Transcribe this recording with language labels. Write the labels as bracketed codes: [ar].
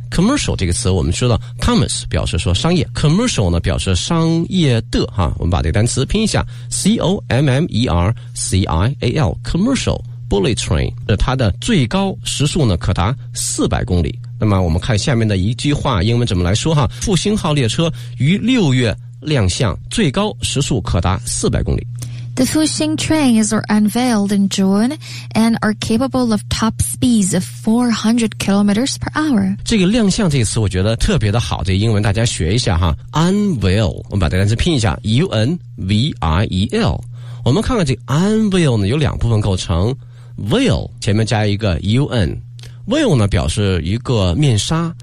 [zh] commercial 这个词我们知道 commerce 表示说商业， commercial 呢表示商业的哈，我们把这个单词拼一下 commercial commercial bullet train， 它的最高时速呢可达400公里。那么我们看下面的一句话英文怎么来说哈，复兴号列车于六月亮相，最高时速可达400公里。 [en] The Fuxing trains are unveiled in June and are capable of top speeds of 400 kilometers per hour. [zh] 这个亮相这个词我觉得特别的好，这个、英文大家学一下哈。 Unveil， 我们把这单词拼一下 ，UNVIEL。我们看看这 unveil 呢有两部分构成 ，veil 前面加一个 UN。 Veil 呢表示一个面纱，